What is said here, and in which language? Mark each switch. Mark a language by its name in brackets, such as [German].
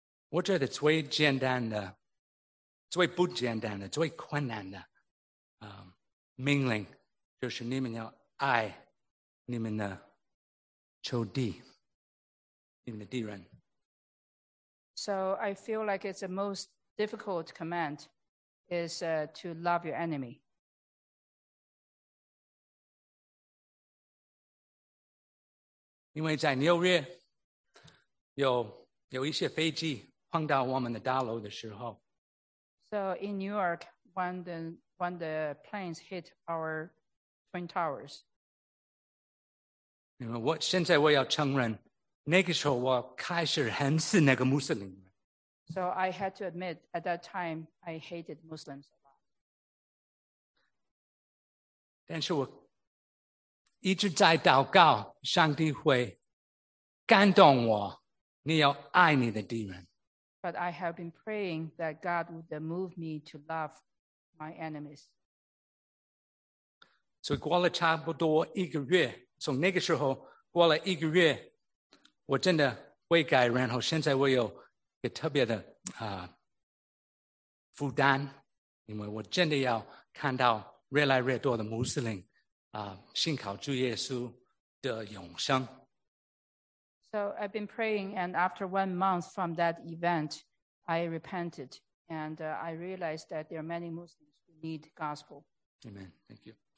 [Chinese] 我觉得最简单的、最不简单的、最困难的命令，就是你们要爱你们的仇敌、你们的敌人。 [English] So I feel like it's the most difficult command is to love your enemy. [Chinese] 因为在纽约有一些飞机。碰到我们的大楼的时候 [English] ，So in New York, when the planes hit our Twin Towers, [Chinese] 因为我现在我要承认，那个时候我开始恨死那个穆斯林。 [English] So I had to admit at that time I hated Muslims a lot. [Chinese] 但是我一直在祷告，上帝会感动我，你要爱你的敌人。 [English] But I have been praying that God would move me to love my enemies. [Chinese] So, 过了差不多一个月，从那个时候过了一个月，我真的悔改，然后现在我有一个特别的负担，因为我真的要看到越来越多的穆斯林信靠主耶稣的永生。 [English] So I've been praying, and after 1 month from that event, I repented, and I realized that there are many Muslims who need gospel. Amen. Thank you.